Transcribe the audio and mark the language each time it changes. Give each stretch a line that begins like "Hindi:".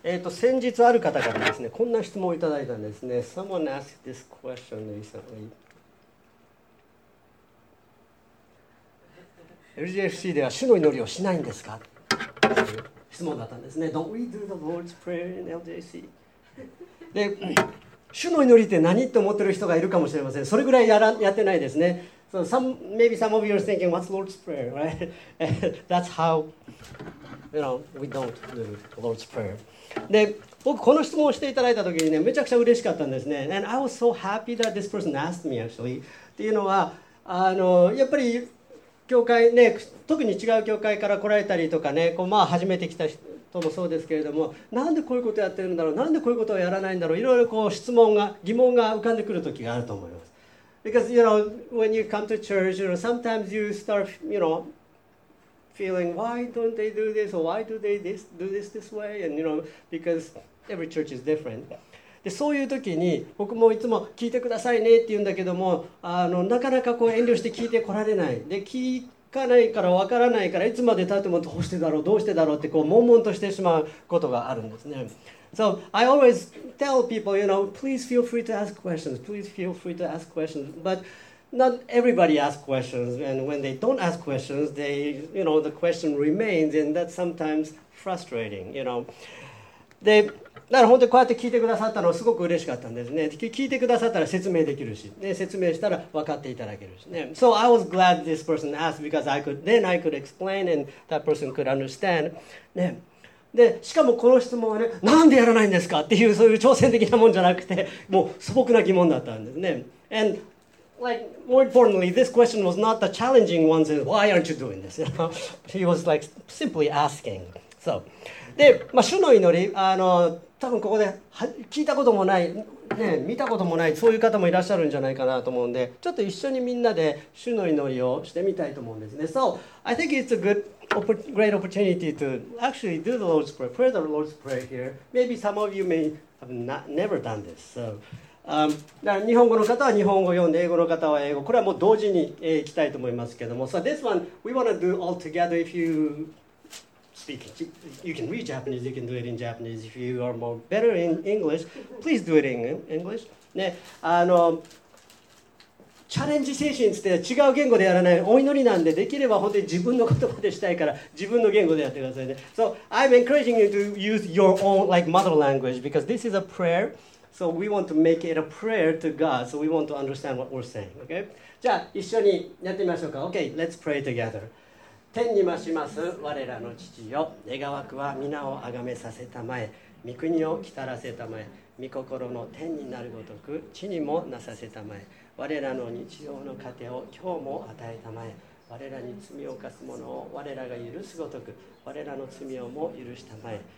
Japanese: 先日ある方からですね、こんな質問をいただいたんですね。
English: Someone asked this question recently.
Japanese: LGFC では主の祈りをしないんですか？という質問だったんですね。
English: Don't we do the Lord's Prayer in LGFC?
Japanese: で、主の祈りって何って思ってる人がいるかもしれません。それぐらいやってないですね。
English: So maybe some of you are thinking, what's Lord's Prayer, right? That's how... You know, we don't do the Lord's Prayer.
Japanese: で、僕この質問をしていただいたときにね、めちゃくちゃ嬉しかったんですね。
English: And I was so happy that this person asked me actually.
Japanese: っていうのは、やっぱり教会ね、特に違う教会から来られたりとかね、こうまあ初めて来た人もそうですけれども、なんでこういうことをやってるんだろう、なんでこういうことをやらないんだろう、いろいろこう質問が疑問が浮かんでくるときがあると思います。
English: Because you know, when you come to church, you know, sometimes you start, you know. Feeling, why don't they do this? Or why do they this, do this this way? And you know, because every church is different.
Japanese: で、そういう時に僕もいつも聞いてくださいねって言うんだけども、なかなかこう遠慮して聞いてこられない。で、聞かないからわからないから、いつまで経ってもどうしてだろう、どうしてだろうってこう悶々としてしまうことがあるんですね。
English: So I always tell people, you know, please feel free to ask questions. Please feel free to ask questions. But,Not everybody asks questions, and when they don't ask questions, they, you know, the question remains, and that's sometimes frustrating, you know.
Japanese: で、だから本当にこうやって聞いてくださったのはすごく嬉しかったんですね。聞いてくださったら説明できるし、ね、説明したら分かっていただけるしね。
English: So I was glad this person asked because I could, then I could explain and that person could understand.
Japanese: ね。で、しかもこの質問はね、なんでやらないんですかっていうそういう挑戦的なもんじゃなくて、もう素朴な疑問だったんですね。
English: And,Like, more importantly, this question was not the challenging ones, why aren't you doing this? He was like simply asking.
Japanese: So, で、まあ、主の祈り、多分ここで聞いたこともない、ね、見たこともない、そういう方もいらっしゃるんじゃないかなと思うんで、ちょっと一緒にみんなで主の祈りをしてみたいと思うんですね。
English: So, I think it's a good, great opportunity to actually do the Lord's Prayer, pray the Lord's Prayer here. Maybe some of you may have not, never done this, so...
Japanese: だから日本語の方は日本語を読んで英語の方は英語これはもう同時に、いきたいと思いますけども
English: So this one we want to do all together if you speak you can read Japanese you can do it in Japanese if you are more better in English please do it in English ね
Japanese: チャレンジ精神って違う言語でやらないお祈りなんでできれば本当に自分の言葉でしたいから自分の言語でやってくださいね
English: So I'm encouraging you to use your own like mother language because this is a prayerSo we want to make it a prayer to God. So we want to understand what we're saying. Okay?
Japanese: じゃあ一緒にやってみましょうか。
English: Okay, let's pray together.
Japanese: 天にまします我らの父よ。願わくは皆をあがめさせたまえ。御国を来たらせたまえ。御心の天になるごとく地にもなさせたまえ。我らの日常の糧を今日も与えたまえ。我らに罪を犯す者を我らが許すごとく我らの罪をも許したまえ。